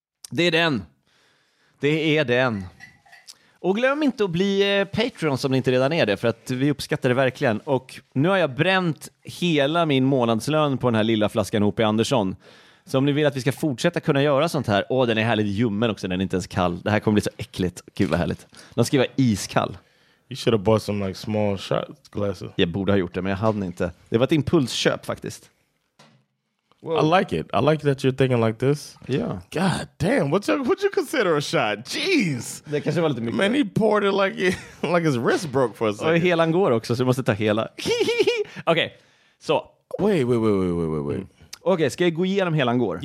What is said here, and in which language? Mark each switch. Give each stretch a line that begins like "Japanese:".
Swedish: Det är den. Det är den. Och glöm inte att bli Patreon om ni inte redan är det, för att vi uppskattar det verkligen. Och nu har jag bränt hela min månadslön på den här lilla flaskan O.P. Andersson. Så om ni vill att vi ska fortsätta kunna göra sånt här. Åh, den är härligt ljummen också. Den är inte ens kall. Det här kommer bli så äckligt. Gud vad härligt. Den ska vara iskall.
English: You should have bought some like small shot glasses.
Swedish: Jag borde ha gjort det, men jag hade inte. Det var ett impulsköp faktiskt.
English: Whoa. I like it. I like that you're thinking like this. Yeah. God damn. What you consider a shot? Jeez.
Swedish: Det kanske var lite mycket.
English: Man, he poured it like his wrist broke for a second.
Swedish: Och helan går också, så du måste ta hela. Okej. Så.
English: Wait.
Swedish: Okej, ska jag gå igenom helan går?